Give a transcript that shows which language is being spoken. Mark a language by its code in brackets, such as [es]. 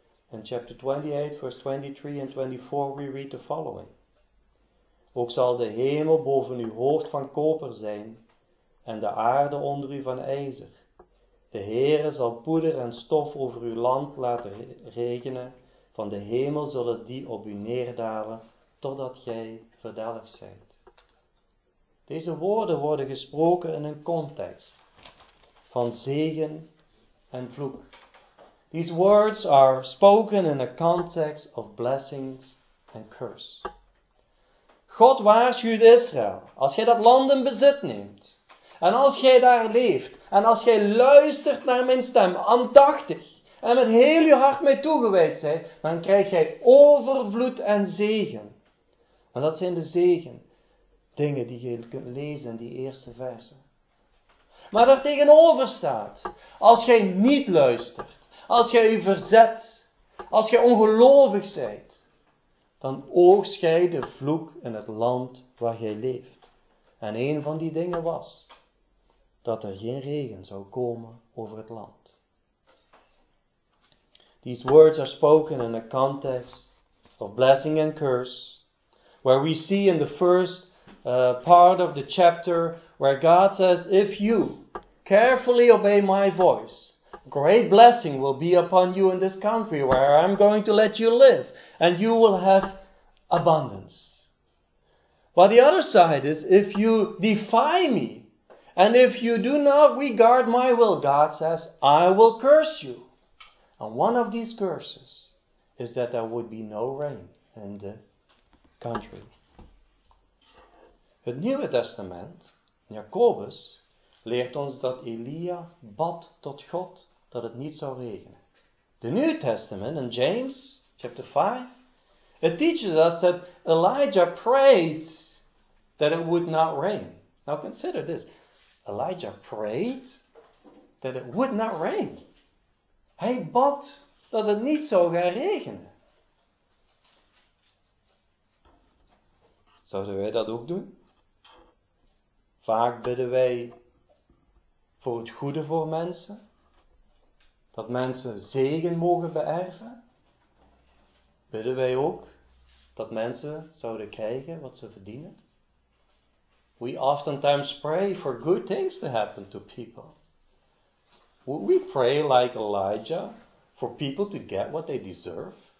[en] In chapter 28, verse 23 and 24, we read the following. [nl] Ook zal de hemel boven uw hoofd van koper zijn, en de aarde onder u van ijzer. De Heere zal poeder en stof over uw land laten regenen, van de hemel zullen die op u neerdalen, totdat gij verdelgd zijt. Deze woorden worden gesproken in een context van zegen en vloek. [en] These words are spoken in a context of blessings and curse. [nl] God waarschuwt Israël. Als jij dat land in bezit neemt. En als jij daar leeft. En als jij luistert naar mijn stem. Aandachtig. En met heel je hart mij toegewijd zijt. Dan krijg jij overvloed en zegen. En dat zijn de zegen. Dingen die je kunt lezen in die eerste versen. Maar daar tegenover staat. Als jij niet luistert. Als jij je verzet, als jij ongelovig zijt, dan oogst jij de vloek in het land waar jij leeft. En een van die dingen was dat er geen regen zou komen over het land. [en] These words are spoken in a context of blessing and curse, where we see in the first part of the chapter where God says, if you carefully obey my voice, great blessing will be upon you in this country where I'm going to let you live. And you will have abundance. But the other side is, if you defy me, and if you do not regard my will, God says, I will curse you. And one of these curses is that there would be no rain in the country. [nl] Het Nieuwe Testament Jacobus leert ons dat Elia bad tot God dat het niet zou regenen. [en] The New Testament in James chapter 5, it teaches us that Elijah prayed that it would not rain. Now consider this. Elijah prayed that it would not rain. [nl] Hij bad dat het niet zou gaan regenen. Zouden wij dat ook doen? Vaak bidden wij voor het goede voor mensen. Dat mensen zegen mogen beërven. Bidden wij ook dat mensen zouden krijgen wat ze verdienen. [en] We oftentimes pray for good things to happen to people. Would we pray like Elijah for people to get what they deserve?